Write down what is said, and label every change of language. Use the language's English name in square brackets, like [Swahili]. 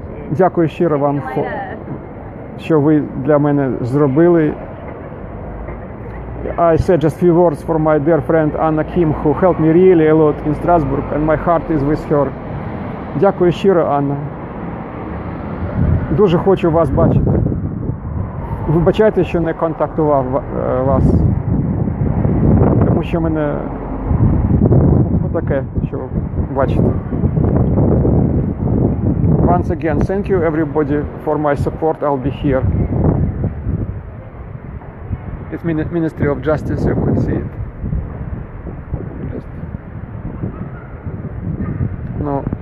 [Ukrainian] Дякую щиро вам, що ви для мене зробили. [English] I said just a few words for my dear friend Anna Kim, who helped me really a lot in Strasbourg, and my heart is with her. [Ukrainian] Дякую щиро, Анна. Дуже хочу вас бачити. Вибачайте, що не контактував вас. Тому що мене таке, що бачите. [English] Once again, thank you everybody for my support. I'll be here. It's Ministry of Justice, you could see it. Just... No.